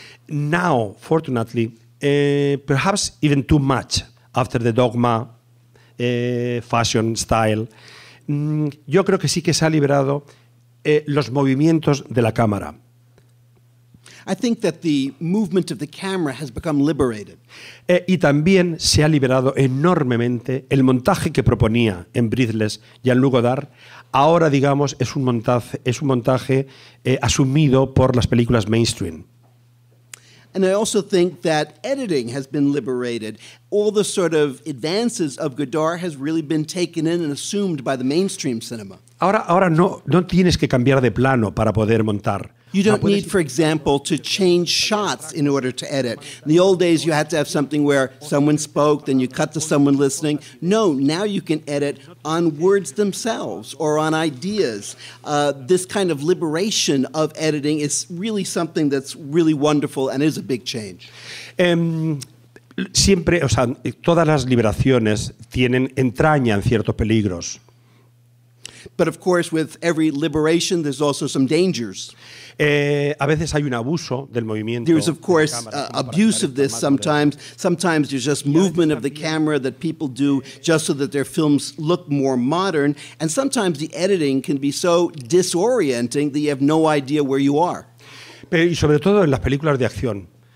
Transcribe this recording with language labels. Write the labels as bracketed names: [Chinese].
[English] Now, fortunately, perhaps even too much after the dogma, fashion, style, [Spanish] yo creo que sí que se ha liberado los movimientos de la cámara. [English] I think that the movement of the camera has become liberated. [Spanish] Y también se ha liberado enormemente el montaje que proponía en Breathless Jean-Luc Godard. Ahora, digamos, es un montaje asumido por las películas mainstream. [English] And I also think that editing has been liberated. All the sort of advances of Godard has really been taken in and assumed by the mainstream cinema. [Spanish] Ahora no tienes que cambiar de plano para poder montar. [English] You don't need, for example, to change shots in order to edit. In the old days, you had to have something where someone spoke, then you cut to someone listening. No, now you can edit on words themselves or on ideas. This kind of liberation of editing is really something that's really wonderful and is a big change. [Spanish] Siempre, o sea, todas las liberaciones tienen entrañan ciertos peligros. [English] But of course, with every liberation, there's also some dangers. [Spanish] A veces hay un abuso del movimiento. [English] There's of course abuse of this sometimes. Sometimes there's just movement of the camera that people do just so that their films look more modern. And sometimes the editing can be so disorienting that you have no idea where you are. [Spanish] Pero y sobre todo en las películas de acción.